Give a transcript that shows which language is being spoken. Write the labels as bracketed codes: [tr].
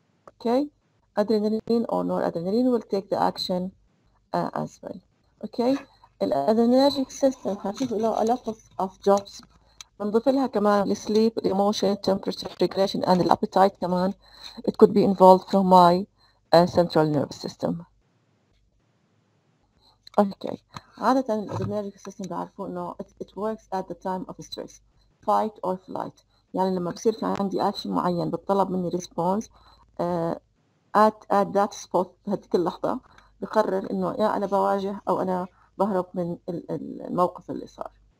[en] Okay, [ar] أدرينالين أو نور أدرينالين [en] will take the action as well. [ar] Okay, الأدرينرجيك سيستم هنشوف له [en] a lot of jobs. [ar] بنضيف لها كمان [en] sleep, emotion, temperature regulation and appetite [ar] كمان. [en] It could be involved from my central nervous system. Okay. [ar] عادة الأدرينرجيك سيستم بعرفوا إنه [en] it works at the time of stress. Fight or flight. [ar] يعني لما بصير في عندي action معين بتطلب مني [en] response at that spot [ar] بهذيك اللحظة بقرر إنه يا أنا بواجه أو أنا بهرب من الموقف اللي صار.